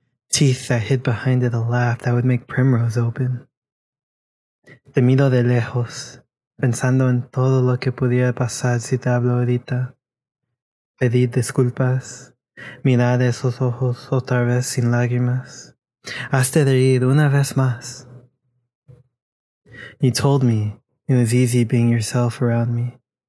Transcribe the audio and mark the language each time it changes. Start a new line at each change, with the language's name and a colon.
English: Teeth that hid behind it a laugh that would make primrose open.
Spanish: Te miro de lejos, pensando en todo lo que pudiera pasar si te hablo ahorita. Pedir disculpas, mirar esos ojos otra vez sin lágrimas. Hazte reír una vez más.
English: You told me it was easy being yourself around me.